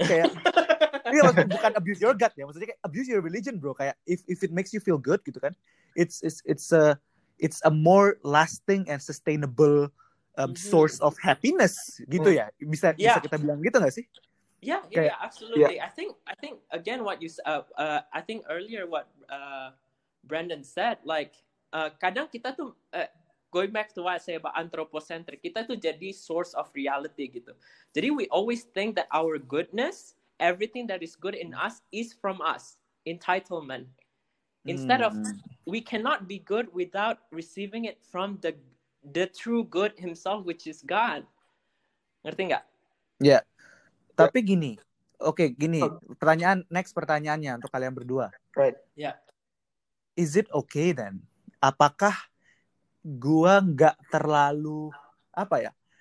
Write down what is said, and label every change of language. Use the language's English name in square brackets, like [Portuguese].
[Indonesian] Kayak iya, bukan [English] abuse your God [Indonesian] ya, maksudnya kayak [English] abuse your religion, bro. Kayak if it makes you feel good gitu kan, it's a more lasting and sustainable source of happiness gitu ya. Bisa yeah. [Indonesian] bisa kita bilang gitu enggak sih? [English] Yeah, kayak, yeah, absolutely. Yeah. I think again what you I think earlier what Brandon said, like [Indonesian] kadang kita tuh [English] going back to what I say about anthropocentric, [Indonesian] kita tuh jadi [English] source of reality gitu. Jadi we always think that our goodness, everything that is good in us is from us, entitlement. Instead of we cannot be good without receiving it from the true good himself, which is God. [Indonesian] Ngerti enggak? Ya. Yeah. Tapi gini. Oke, okay, gini. Pertanyaan next pertanyaannya untuk kalian berdua. [English] Right. Yeah. Is it okay then? [Indonesian] Apakah gua enggak terlalu apa ya?